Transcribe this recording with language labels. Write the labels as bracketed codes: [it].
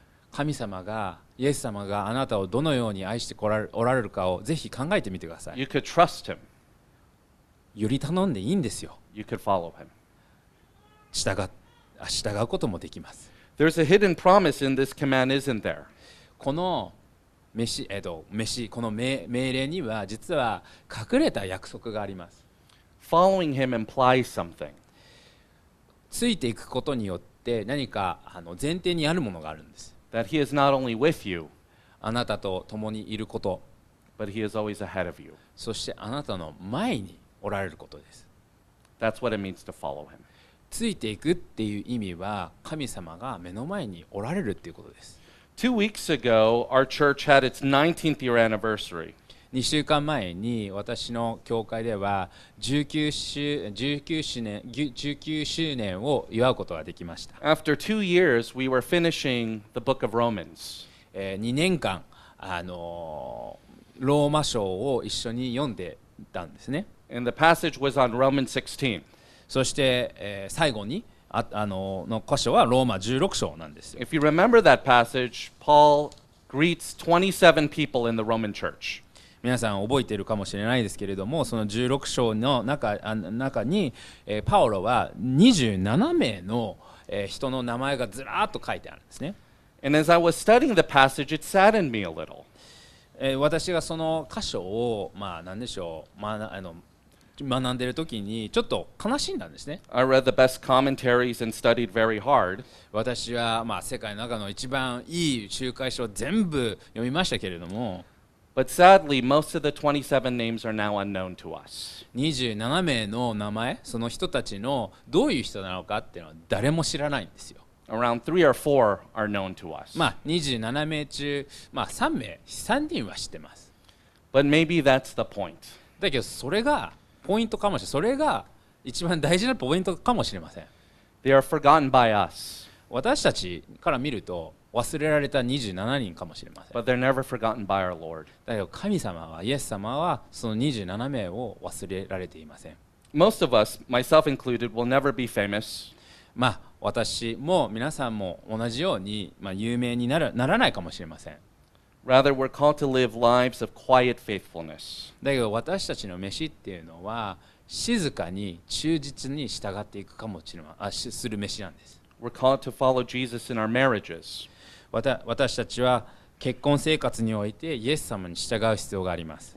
[ja] 神様が、イエス様があなたをどのように愛しておられるかをぜひ考えてみてください。 [en] You could trust him. [ja] より頼んでいいんですよ。 [en] You could follow him. [ja] 従うこともできます。 [en] There's a hidden promise in this command, isn't there? [ja] この この命令には実は隠れた約束があります。 [en] Following him implies something. [ja] ついていくことによって何か前提にあるものがあるんです。 [en] That he is not only with you, [ja] あなたと共にいること、 [en] but he is always ahead of you. [ja] そしてあなたの前におられることです。 [en] That's what it means to follow him. [ja] ついていくっていう意味は神様が目の前におられるっていうことです。 [en] 2 weeks ago, our church had its 19th year anniversary. [ja] 2週間前に私の教会では19周年を祝うことができました。 [en] After 2 years, we were finishing the book of Romans. [ja] 2年間、ローマ書を一緒に読んでたんですね。 [en] And the passage was on Romans 16. [ja] そして、最後に の箇所はローマ16章なんですよ。 [en] If you remember that passage, Paul greets 27 people in the Roman church. [ja] 皆さん覚えているかもしれないですけれども、その16章の 中に、パオロは27名の、人の名前がずらっと書いてあるんですね。 [en] And as I was studying the passage, it saddened me a little. [ja] 私がその箇所を、まあ、何でしょう、まあ、学んでいるときにちょっと悲しんだんですね。 [en] I read the best commentaries and studied very hard. [ja] 私は、まあ、世界の中の一番いい仲介書を全部読みましたけれども、 [en] But sadly, most of the 27 names are now unknown to us. [ja] 27名の名前、その人たちのどういう人なのかっていうのは誰も知らないんですよ。 [en] Around 3 or 4 are known to us. [ja] まあ27名中、まあ3名、3人は知ってます。 [en] But maybe that's the point. [ja] だけどそれがポイントかもしれない。それが一番大事なポイントかもしれません。 [en] They are forgotten by us. [ja] 私たちから見ると、忘れられた27人かもしれません。 [en] But they're never forgotten by our Lord. [ja] だけど神様は、イエス様はその27名を忘れられていません。 [en] Most of us, myself included, will never be famous. [ja] まあ私も皆さんも同じように、まあ、有名にならないかもしれません。 [en] Rather, we're called to live lives of quiet faithfulness. [ja] だけど私たちの召しっていうのは静かに忠実に従っていくかもしれません。する召しなんです。 [en] We're called to follow Jesus in our marriages. [ja] 私たちは結婚生活においてイエス様に従う必要があります。